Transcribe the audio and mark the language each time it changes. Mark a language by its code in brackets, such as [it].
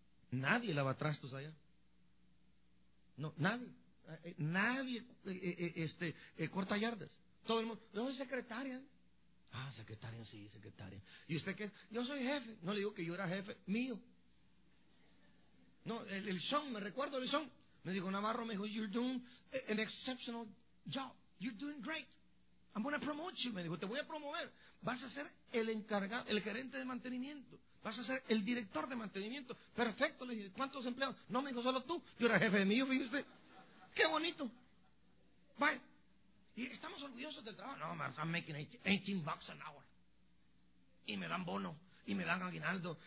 [es] Nadie lava trastos allá. No, nadie corta yardas. Todo el mundo, yo soy secretaria. Ah, secretaria, sí, secretaria. ¿Y usted qué? Yo soy jefe. No le digo que yo era jefe mío. No, el son, me recuerdo el son. Me dijo Navarro, me dijo, [en] you're doing an exceptional job. You're doing great. I'm going to promote you. [es] Me dijo, te voy a promover. Vas a ser el encargado, el gerente de mantenimiento. Vas a ser el director de mantenimiento. Perfecto, le dije, ¿cuántos empleados? No, me dijo, solo tú. Yo era jefe mío, fíjese usted. Qué bonito. Bye. Y estamos orgullosos del trabajo. No, [en] man, I'm making $18 an hour. [es] Y me dan bono. Y me dan aguinaldo.